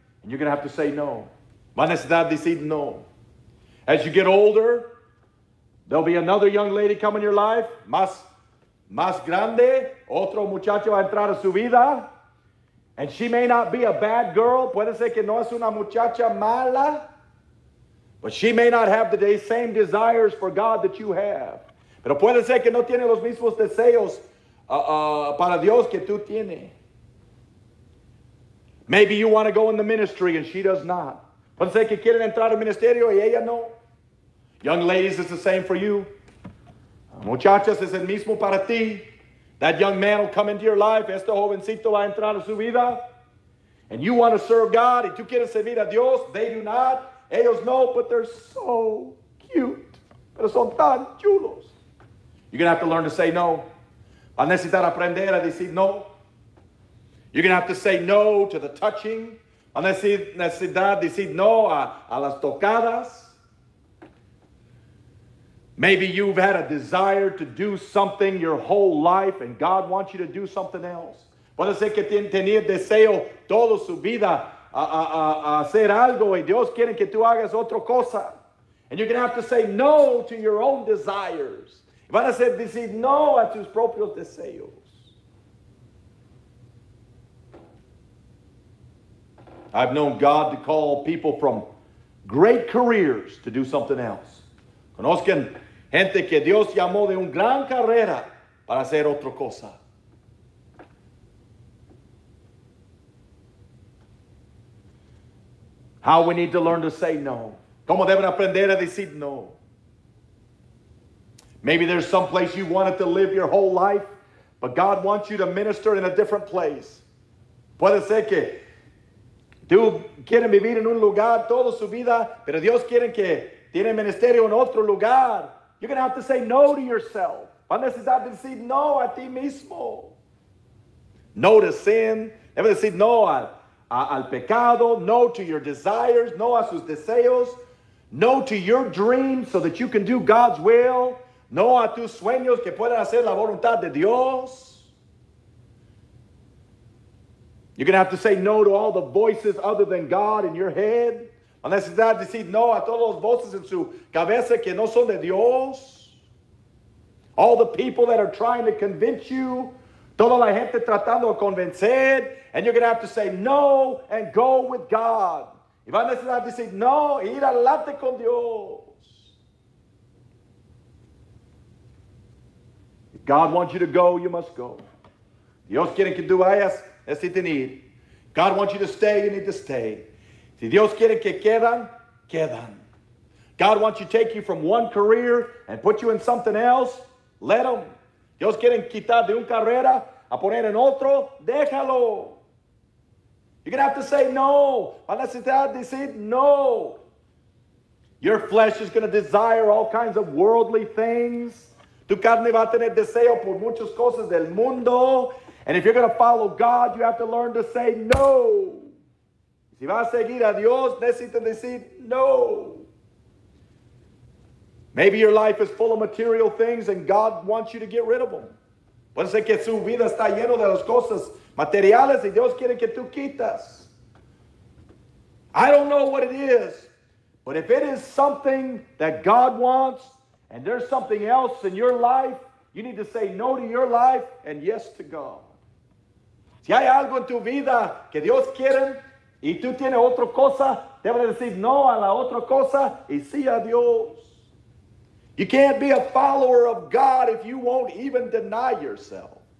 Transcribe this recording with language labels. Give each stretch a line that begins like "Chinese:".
English: And you're going to have to say no.
Spanish: Va a necesitar decir no.
English: As you get older, there'll be another young lady come in your life.
Spanish: Más grande, otro muchacho va a entrar a su vida.
English: And she may not be a bad girl.
Spanish: Puede ser que no es una muchacha mala.
English: But she may not have the same desires for God that you have.
Spanish: Pero puede ser que no tiene los mismos deseos para Dios que tú tienes.
English: Maybe you want to go in the ministry and she does not.
Spanish: Puede ser que quieren entrar al ministerio y ella no.
English: Young ladies, it's the same for you.
Spanish: Muchachas, es el mismo para ti.
English: That young man will come into your life.
Spanish: Este jovencito va a entrar a su vida.
English: And you want to serve God.
Spanish: Y tú quieres servir a Dios.
English: They do not.
Spanish: Ellos no,
English: but they're so cute.
Spanish: Pero son tan chulos.
English: You're going to have to learn to say no.
Spanish: Va a necesitar aprender a decir no.
English: You're going to have to say no to the touching.
Spanish: Va a necesitar decir no a las tocadas.
English: Maybe you've had a desire to do something your whole life and God wants you to do something else.
Spanish: Puede ser que tenía deseo toda su vida a hacer algo y Dios quiere que tú hagas otra cosa.
English: And you're going to have to say no to your own desires.
Spanish: Van a decir no a tus propios deseos.
English: I've known God to call people from great careers to do something else.
Spanish: Conozcan gente que Dios llamó de un gran carrera para hacer otra cosa.
English: How we need to learn to say no.
Spanish: ¿Cómo deben aprender a decir no?
English: Maybe there's some place you wanted to live your whole life, but God wants you to minister in a different place.
Spanish: Puede ser que tú quieres vivir en un lugar toda su vida, pero Dios quiere que tiene ministerio en otro lugar.
English: You're going to have to say no to yourself.
Spanish: Va a necesitar decir no a ti mismo.
English: No to sin.
Spanish: Debe decir no al pecado.
English: No to your desires.
Spanish: No a sus deseos.
English: No to your dreams so that you can do God's will.
Spanish: No a tus sueños que puedan hacer la voluntad de Dios.
English: You're going to have to say no to all the voices other than God in your head.
Spanish: Va a necesitar decir no a todos los voces en su cabeza que no son de Dios.
English: All the people that are trying to convince you.
Spanish: Toda la gente tratando de convencer.
English: And you're going to have to say no and go with God.
Spanish: Y va a necesitar decir no y ir adelante con Dios.
English: If God wants you to go, you must go.
Spanish: Dios quiere que tú vayas, necesitan ir.
English: God wants you to stay, you need to stay.
Spanish: Si Dios quiere que quedan, quedan.
English: God wants you to take you from one career and put you in something else, let him.
Spanish: Dios quieren quitar de un carrera a poner en otro, déjalo.
English: You're going to have to say no.
Spanish: Van a necesitar decir no.
English: Your flesh is going to desire all kinds of worldly things.
Spanish: Tu carne va a tener deseo por muchas cosas del mundo.
English: And if you're going to follow God, you have to learn to say no.
Spanish: Si va a seguir a Dios, necesita decir no.
English: Maybe your life is full of material things and God wants you to get rid of them.
Spanish: Puede ser que su vida está lleno de las cosas materiales y Dios quiere que tú quitas.
English: I don't know what it is, but if it is something that God wants and there's something else in your life, you need to say no to your life and yes to God.
Spanish: Si hay algo en tu vida que Dios quiere y tú tienes otra cosa, debes decir no a la otra cosa y sí a Dios.
English: You can't be a follower of God if you won't even deny yourself.